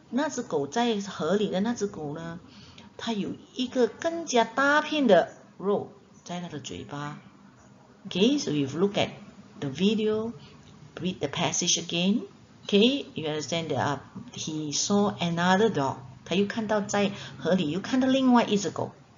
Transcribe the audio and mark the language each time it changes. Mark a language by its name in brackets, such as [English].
[Chinese] 那只狗在河里的那只狗呢？它有一个更加大片的肉在它的嘴巴。 [English] Okay, so if you look at the video, read the passage again. Okay, you understand that he saw another dog. [Chinese] 他又看到在河里又看到另外一只狗。